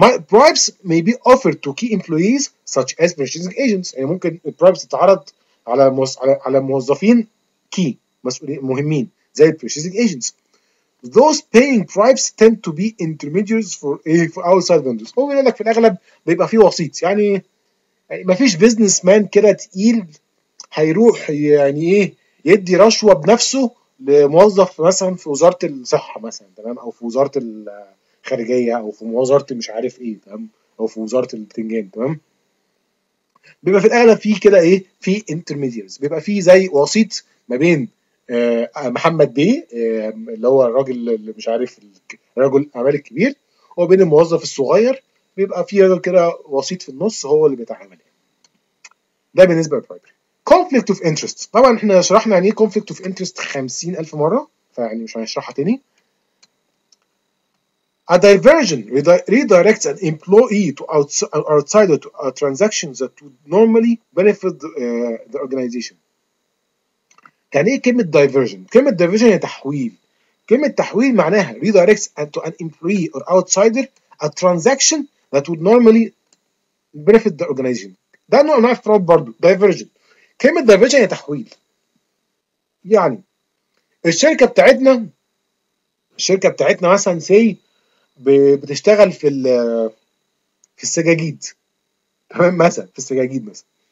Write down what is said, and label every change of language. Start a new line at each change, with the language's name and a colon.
English: bribes may be offered to key employees such as purchasing agents.
Arabic: يعني ممكن البرايبس تتعرض على موظفين كي مسؤولين مهمين زي purchasing agents.
English: those paying bribes tend to be intermediaries for outside vendors.
Arabic: هو بيقول لك في الاغلب بيبقى فيه وسيط، يعني ما فيش بزنس مان كده تقيل هيروح يعني ايه يدي رشوه بنفسه لموظف مثلا في وزاره الصحه مثلا. تمام، او في وزاره الخارجيه او في وزاره مش عارف ايه. تمام، او في وزاره البتنجان. تمام، بيبقى في الاغلب في كده ايه، في انترميديرز، بيبقى في زي وسيط ما بين محمد بيه اللي هو الراجل اللي مش عارف رجل الاعمال الكبير وبين الموظف الصغير، بيبقى في رجل كده وسيط في النص هو اللي بيتعامل. ده بالنسبه للبرايفري. conflict of interest، طبعا احنا شرحنا يعني ايه conflict of interest 50,000 مره، فيعني مش هنشرحها تاني.
English: a diversion redirects an employee to outside to a transaction that would normally benefit the organization.
Arabic: يعني ايه كلمه diversion؟ كلمه diversion هي تحويل. كلمه تحويل معناها
English: redirects to an employee or outsider a transaction that would normally benefit the organization.
Arabic: ده نوع من الفراد برضه، diversion. كلمة diversion هي تحويل. يعني الشركة بتاعتنا، الشركة بتاعتنا مثلا سي بتشتغل في في السجاجيد. تمام، مثلا في السجاجيد مثلا.